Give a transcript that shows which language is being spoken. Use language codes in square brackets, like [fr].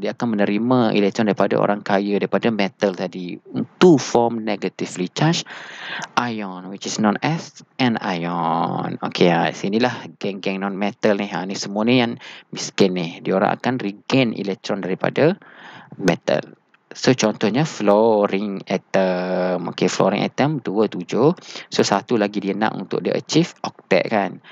[ms] Dia akan menerima elektron daripada orang kaya, daripada metal tadi. [en] To form negatively charged ion, which is known as anion. [ms] Okay, sinilah geng-geng non-metal ni. Ni semua ni yang miskin ni. Diorang akan regain elektron daripada metal. So, contohnya fluorine atom. Okay, fluorine atom 27. So, satu lagi dia nak untuk dia achieve octet kan.